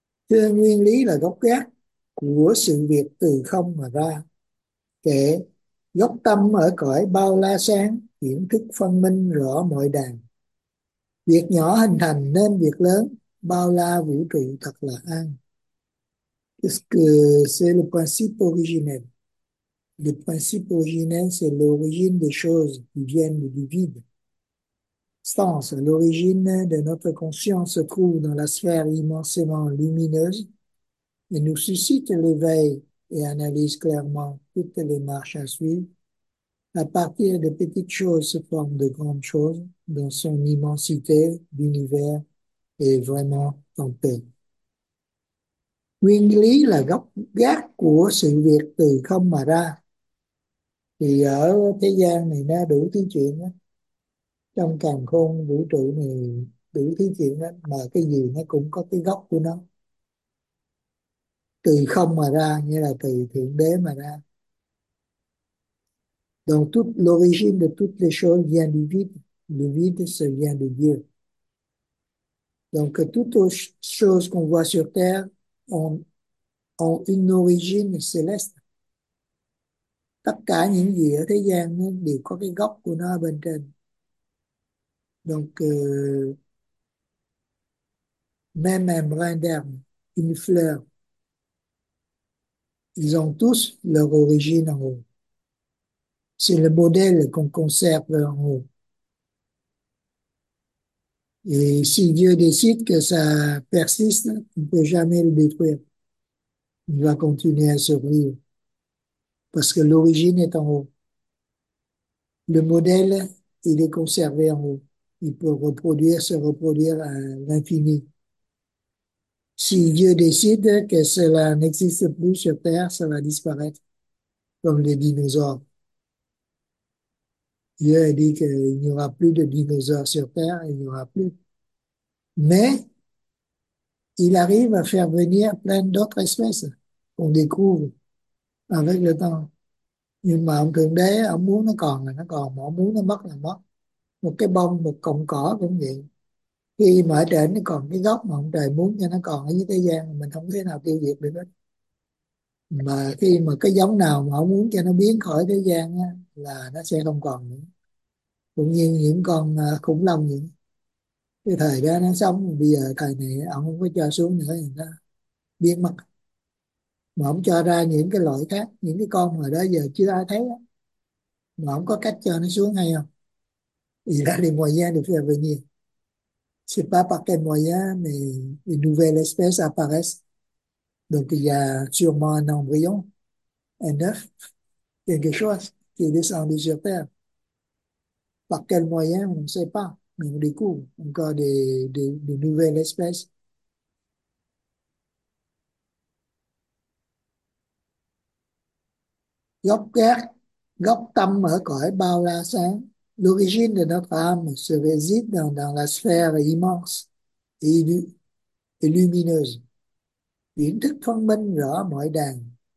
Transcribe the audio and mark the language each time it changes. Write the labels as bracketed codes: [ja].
[vi] Thưa, nguyên lý là gốc gác của sự việc từ không mà ra. Kể gốc tâm ở cõi bao la sáng, kiến thức phân minh rõ mọi đàn. Việc nhỏ hình thành nên việc lớn, bao la vũ trụ thật là an. [fr] C'est le principe originel. Le principe originel, c'est l'origine des choses qui viennent du vide. Sens, l'origine de notre conscience se trouve dans la sphère immensément lumineuse et nous suscite l'éveil et analyse clairement toutes les marches à suivre. À partir de petites choses se forment de grandes choses dans son immensité. L'univers est vraiment en paix. [vi] Nguyên lý là gốc gác của sự việc từ không mà ra. Thì ở thế gian này nó đủ thứ chuyện đó. Trong càn khôn vũ trụ này đủ thứ chuyện đó, mà cái gì nó cũng có cái gốc của nó. Từ không mà ra, nghĩa là từ thượng đế mà ra. [fr] Donc toute l'origine de toutes les choses vient du vide. Le vide, ça vient de Dieu. Donc toutes les choses qu'on voit sur Terre ont une origine céleste. [vi] Tất cả những gì ở thế gian nó đều có cái gốc của nó bên trên. [fr] Donc même un brin d'herbe, une fleur, ils ont tous leur origine en haut. C'est le modèle qu'on conserve en haut. Et si Dieu décide que ça persiste, on ne peut jamais le détruire. Il va continuer à survivre. Parce que l'origine est en haut. Le modèle, il est conservé en haut. Il peut reproduire, se reproduire à l'infini. Si Dieu décide que cela n'existe plus sur Terre, ça va disparaître. Comme les dinosaures. Dieu a dit qu'il n'y aura plus de dinosaures sur Terre, il n'y aura plus. Mais il arrive à faire venir plein d'autres espèces qu'on découvre avec le temps. [vi] Nhưng mà ông Thượng Đế, ông muốn nó còn là nó còn, mà ông muốn nó mất là mất. Một cái bông, một cọng cỏ cũng vậy. Khi mà ở trên nó còn cái gốc mà ông trời muốn cho nó còn ở dưới thế gian, mình không thể nào tiêu diệt được hết. Mà khi mà cái giống nào mà ông muốn cho nó biến khỏi thế gian á, là nó sẽ không còn nữa. Cũng như những con khủng long vậy. Cái thời đó nó sống, bây giờ thời này ông không có cho xuống nữa thì nó biến mất. Mà ông cho ra những cái loại khác, những cái con mà đó giờ chưa ai thấy á. Mà ông có cách cho nó xuống hay không? Thì là [fr] les moyens de faire venir. C'est pas par quel moyen, mais une nouvelle espèce apparaît. Donc il y a sûrement un embryon, un œuf, quelque chose qui est descendu sur Terre. Par quel moyen, on ne sait pas, mais on découvre encore des nouvelles espèces. [vi] Gốc gác, gốc tâm ở cõi bao la sáng, [fr] l'origine de notre âme se réside dans la sphère immense et lumineuse. [vi] kiến thức thông minh rõ mọi đàn.